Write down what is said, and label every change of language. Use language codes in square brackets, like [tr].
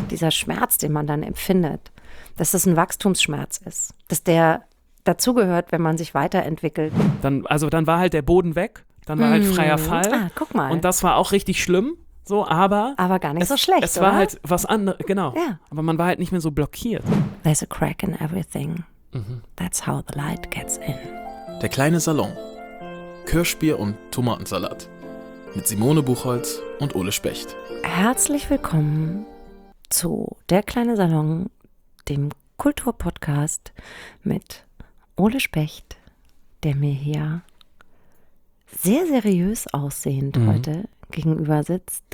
[de] Dieser Schmerz, den man dann empfindet, dass das ein Wachstumsschmerz ist, dass der dazugehört, wenn man sich weiterentwickelt. Dann war halt der Boden weg, dann war halt freier Fall. Ah, guck mal. Und das war auch richtig schlimm, so, aber... Aber gar nicht so schlecht, es war halt was anderes, genau. Ja. Aber man war halt nicht mehr so blockiert. [en] There's a crack in everything. That's how the light gets in. [de] Der kleine Salon. Kirschbier und Tomatensalat. Mit Simone Buchholz und Ole Specht. Herzlich willkommen zu Der kleine Salon, dem Kulturpodcast mit Ole Specht, der mir hier sehr seriös aussehend heute gegenüber sitzt.